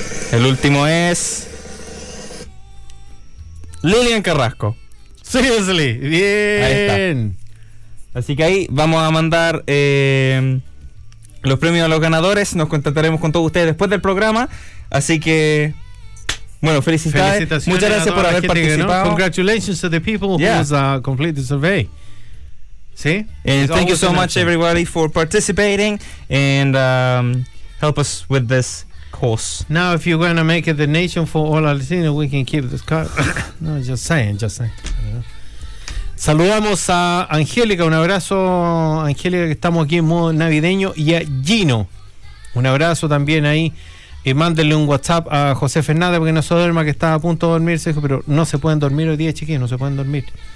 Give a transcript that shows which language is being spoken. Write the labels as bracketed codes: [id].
[es] El último es Lilian Carrasco. [en] Seriously, bien. [es] Ahí está. Así que ahí vamos a mandar los premios a los ganadores. Nos contactaremos con todos ustedes después del programa. Así que, bueno, felicidades. Muchas gracias por haber participado. [en] Congratulations to the people who completed the survey. [es] Sí. [en] And thank you so much, everybody, for participating and help us with this. Course. Now, if you're going to make it the nation for all our Latinos, we can keep this card. No, just saying. [es] Saludamos a Angélica, un abrazo, Angélica, que estamos aquí en modo navideño, y a Gino, un abrazo también ahí. Y mándenle un WhatsApp a José Fernández, porque no se duerma, que está a punto de dormirse, pero no se pueden dormir hoy día, chiquillos, no se pueden dormir.